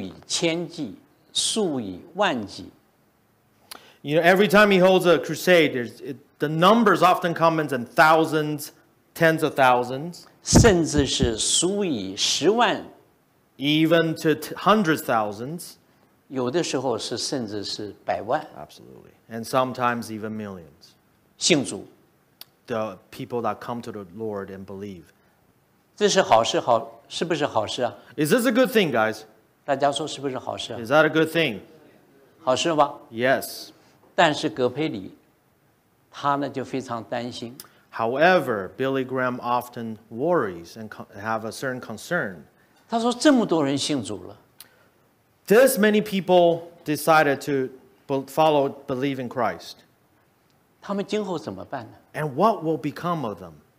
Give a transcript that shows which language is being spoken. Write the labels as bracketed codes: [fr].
[zh] 他每次的布道大会常常都是数以千计，数以万计。 [en] You know, every time he holds a crusade, the numbers often come in thousands, tens of thousands. [zh] 甚至是数以十万。 [en] Even to hundreds of thousands. [zh] 有的时候是甚至是百万, [en] absolutely. And sometimes even millions. [zh] 信主, [en] the people that come to the Lord and believe. [zh] 这是好事好, 是不是好事啊? [en] Is this a good thing, guys? [zh] 大家说是不是好事啊? [en] Is that a good thing? [zh] 好事吧? [en] Yes. [zh] 但是格佩里, 他呢就非常担心。 [en] However, Billy Graham often worries and have a certain concern. [zh] 他说这么多人信主了。 [en] This many people decided to follow, believe in Christ. [zh] 他们今后怎么办呢? [en] And what will become of them?